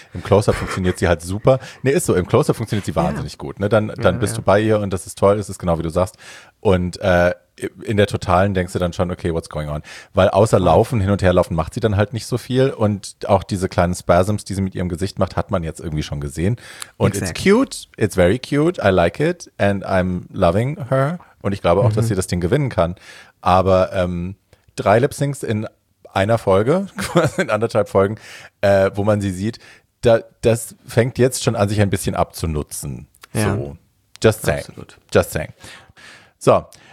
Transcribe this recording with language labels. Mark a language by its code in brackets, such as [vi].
[de] Im Close-Up funktioniert sie halt super. Nee, ist so, im Close-Up funktioniert sie wahnsinnig gut. Ne? Dann bist du bei ihr und das ist toll, es ist genau wie du sagst. Und in der Totalen denkst du dann schon, okay, [en] what's going on? [de] Weil außer Laufen, hin und her laufen, macht sie dann halt nicht so viel. Und auch diese kleinen Spasms, die sie mit ihrem Gesicht macht, hat man jetzt irgendwie schon gesehen. [en] Und it's cute, it's very cute, I like it and I'm loving her. [de] Und ich glaube auch, dass sie das Ding gewinnen kann. Aber 3 Lip-Syncs in einer Folge, in anderthalb Folgen, wo man sie sieht, das fängt jetzt schon an, sich ein bisschen abzunutzen. Ja. So. [en] Just saying. [de] Absolut. Just saying. So.